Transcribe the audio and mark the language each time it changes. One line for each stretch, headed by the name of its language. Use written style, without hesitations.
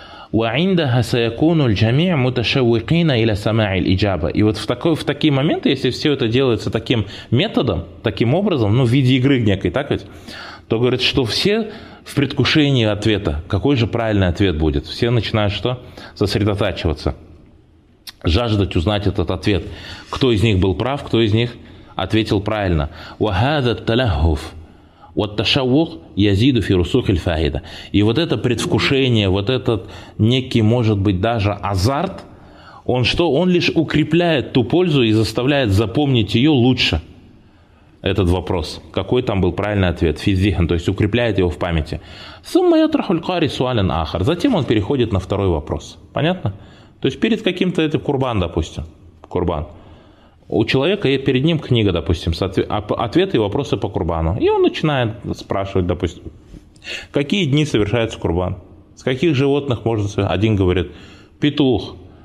Arabic: وَعِنْدَهَا سَيَكُونُ الْجَمِيعُ مُتَشَوِّقِينَ إِلَى سَمَاعِ الْإِجَابَةِ.
Russian: И вот в такие моменты, если все это делается таким методом, таким образом, ну, в виде игры некой, так ведь, то говорит, что все в предвкушении ответа, какой же правильный ответ будет. Все начинают что? Сосредотачиваться, жаждать узнать этот ответ. Кто из них был прав, кто из них ответил правильно.
Arabic: وَهَذَا التَّلَهُّفُ والتشوق يزيد في رسوخ الفائدة.
Russian: И вот это предвкушение, вот этот некий, может быть, даже азарт, он что? Он лишь укрепляет ту пользу и заставляет запомнить ее лучше. Этот вопрос. Какой там был правильный ответ? Физзихан. То есть укрепляет его в памяти.
Arabic: ثم يطرح القاري سؤالا آخر.
Russian: Затем он переходит на второй вопрос. Понятно? То есть перед каким-то это курбан, допустим. Курбан. У человека перед ним книга, допустим, ответы и вопросы по курбану. И он начинает спрашивать, допустим, какие дни совершается курбан? С каких животных можно совершать? Один говорит, петух.